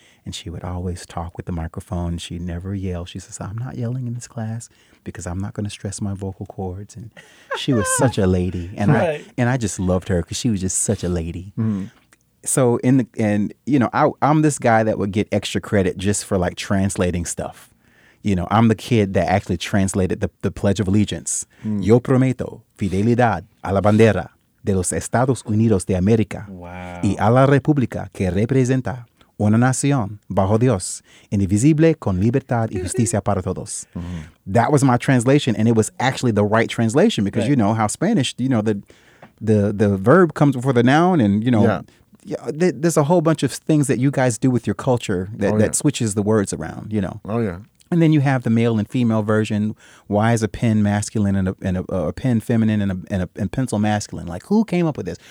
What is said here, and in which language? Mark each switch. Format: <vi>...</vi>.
<en>And she would always talk with the microphone. She'd never yell. She says, I'm not yelling in this class because I'm not going to stress my vocal cords. And she was such a lady. And right. I just loved her because she was just such a lady. Mm. So I'm this guy that would get extra credit just for like translating stuff. You know, I'm the kid that actually translated the Pledge of Allegiance. Mm.</en> <es>Yo prometo fidelidad a la bandera de los Estados Unidos de América.</es> <en>Wow.</en> <es>Y a la República que representa una nación bajo Dios, indivisible con libertad y justicia para todos. Mm-hmm.</es> <en>That was my translation, and it was actually the right translation because right. You know how Spanish, you know, the verb comes before the noun, and you know, there's a whole bunch of things that you guys do with your culture that switches the words around, you know. Oh, yeah. And then you have the male and female version. Why is a pen masculine and a pen feminine and a pencil masculine? Like, who came up with this?</en>